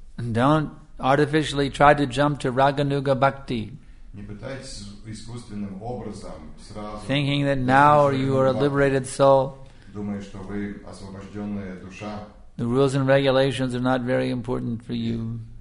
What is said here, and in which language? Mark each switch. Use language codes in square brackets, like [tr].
[en] Don't artificially try to jump to Raganuga Bhakti. [ru] Не пытайтесь искусственным образом сразу. [en] Thinking that now you are a liberated soul. [ru] Думая, что вы освобожденная душа. [en] The rules and regulations are not very important for you.